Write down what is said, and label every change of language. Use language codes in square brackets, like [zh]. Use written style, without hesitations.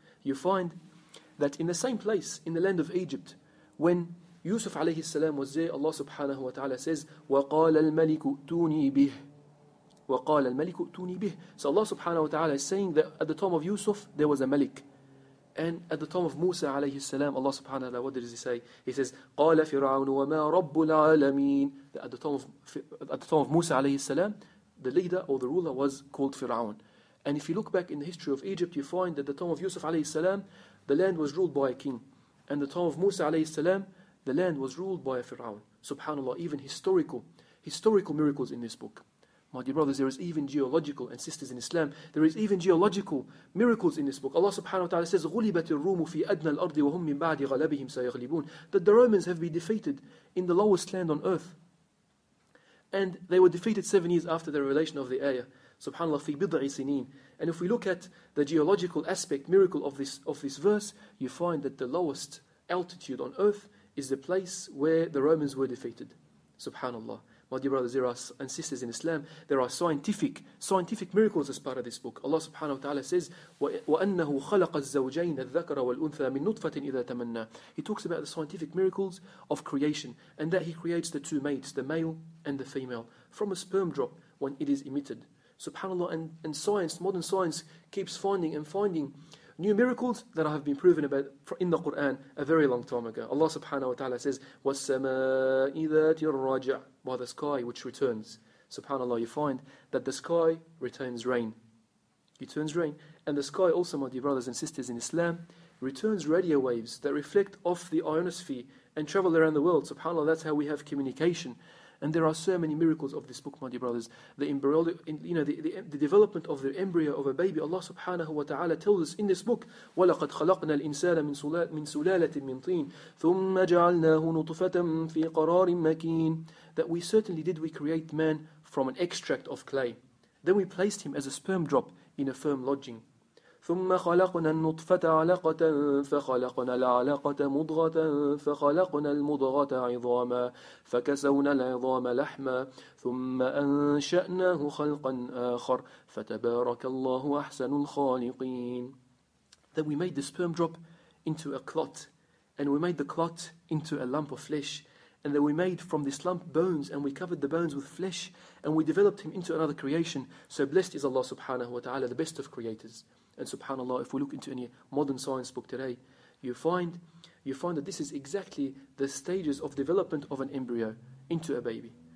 [en] You find that in the same place, in the land of Egypt, when Yusuf alayhi salam was there, Allah subhanahu wa ta'ala says, [ar] وَقَالَ الْمَلِكُ اُتُونِي بِهِ. وَقَالَ الْمَلِكُ اُتُونِي بِهِ. [en] So Allah subhanahu wa ta'ala is saying that at the time of Yusuf, there was a malik. And at the time of Musa alayhi salam, Allah subhanahu wa ta'ala, what does he say? He says, [ar] قَالَ فِرْعَوْنُ وَمَا رَبُّ الْعَالَمِينَ. [en] That at the time of Musa alayhi salam, the leader or the ruler was called Fir'aun. And if you look back in the history of Egypt, you find that at the time of Yusuf alayhi salam, the land was ruled by a king. And at the time of Musa alayhi salam, the land was ruled by a Fir'aun. SubhanAllah, even historical miracles in this book. My dear brothers, there is even geological, and sisters in Islam, there is even geological miracles in this book. Allah subhanahu wa ta'ala says, [ar] غُلِبَتِ الرُّومُ فِي أَدْنَى الْأَرْضِ وَهُمْ مِنْ بَعْدِ غَلَبِهِمْ سَيَغْلِبُونَ. [en] That the Romans have been defeated in the lowest land on earth. And they were defeated 7 years after the revelation of the ayah. SubhanAllah, [ar] fi bid'i sinin. [en] And if we look at the geological aspect, miracle of this verse, you find that the lowest altitude on earth is the place where the Romans were defeated. SubhanAllah. My dear brothers and sisters in Islam, there are scientific miracles as part of this book. Allah subhanahu wa ta'ala says, [ar] وَأَنَّهُ خَلَقَ الزَّوْجَيْنَ الذَّكَرَ وَالْأُنْثَى مِنْ نُطْفَةٍ إِذَا تَمَنَّى. [en] He talks about the scientific miracles of creation, and that He creates the two mates, the male and the female, from a sperm drop when it is emitted. SubhanAllah, and science, modern science, keeps finding new miracles that have been proven about in the Qur'an a very long time ago. Allah subhanahu wa ta'ala says, [ar] وَالسَّمَاءِ ذَاتِ الرَّاجِعِ, [en] by the sky which returns. SubhanAllah, you find that the sky returns rain. It turns rain. And the sky also, my dear brothers and sisters in Islam, returns radio waves that reflect off the ionosphere and travel around the world. SubhanAllah, that's how we have communication. And there are so many miracles of this book, my dear brothers. The embryo, you know, the development of the embryo of a baby. Allah subhanahu wa ta'ala tells us in this book, [ar] وَلَقَدْ خَلَقْنَا الْإِنسَانَ مِنْ سُلَالَةٍ مِنْ طِينٍ ثُمَّ جَعَلْنَاهُ نُطْفَةً فِي قَرَارٍ مَكِينٍ. [en] That we certainly did, we create man from an extract of clay. Then we placed him as a sperm drop in a firm lodging. [ar] ثم خلقنا النطفة علقة فخلقنا العلقة مضغة فخلقنا المضغة عظاما فكسونا العظام لحما ثم أنشأناه خلقا آخر فتبارك الله أحسن الخالقين. [en] Then we made the sperm drop into a clot, and we made the clot into a lump of flesh, and then we made from this lump bones, and we covered the bones with flesh, and we developed him into another creation. So blessed is Allah subhanahu wa ta'ala, the best of creators. And subhanAllah, if we look into any modern science book today, you find that this is exactly the stages of development of an embryo into a baby.